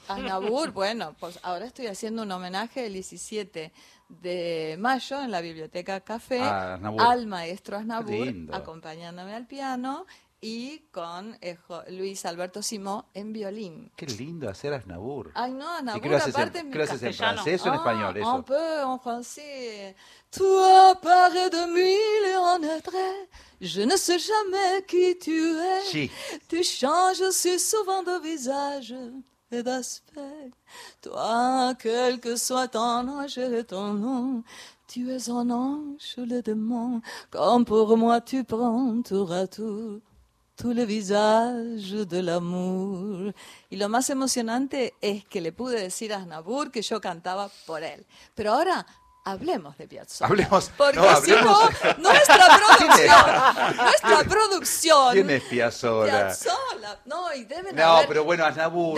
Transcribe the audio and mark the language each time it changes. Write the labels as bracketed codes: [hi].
[es] Aznavour, bueno, pues ahora estoy haciendo un homenaje el 17 de mayo en la Biblioteca Café al maestro Aznavour, acompañándome al piano, y con Luis Alberto Simó en violín. Qué lindo hacer Aznavour. Ay, no, Aznavour, aparte ¿qué lo haces en francés o en español? Eso. [fr] Un peu [es] en francés. [fr] Toi, Paris de mille en étrés. Je ne sais jamais qui tu es. Sí. Tu changes si souvent de visage et d'aspect. Toi, quel que soit ton âge et ton nom, tu es un ange ou le démon. Comme pour moi, tu prends tour à tour tous les visages de l'amour. [es] Y lo más emocionante es que le pude decir a Aznavour que yo cantaba por él. Pero ahora... hablemos de Piazzolla. Hablemos. Porque no, si no, nuestra producción. Nuestra producción. ¿Quién es Piazzolla? Piazzolla. No, y deben no, haber. No, pero bueno, Aznavour.